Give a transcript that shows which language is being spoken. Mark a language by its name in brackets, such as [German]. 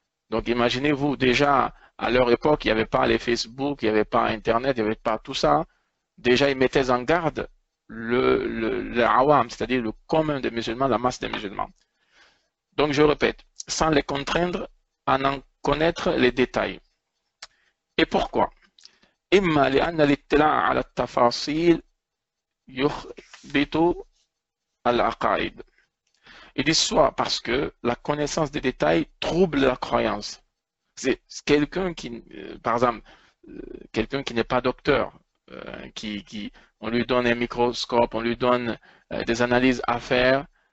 [French] Donc imaginez-vous, déjà à leur époque, il n'y avait pas les Facebook, il n'y avait pas Internet, il n'y avait pas tout ça. Déjà, ils mettaient en garde le awam, c'est-à-dire le commun des musulmans, la masse des musulmans. Donc je répète, sans les contraindre à en connaître les détails. Et pourquoi? [Arabic] إما لأن الاطلاع على التفاصيل يخبط العقائد. [French] Il dit soit parce que la connaissance des détails trouble la croyance. C'est quelqu'un qui, par exemple, quelqu'un qui n'est pas docteur, on lui donne un microscope, on lui donne des analyses à faire.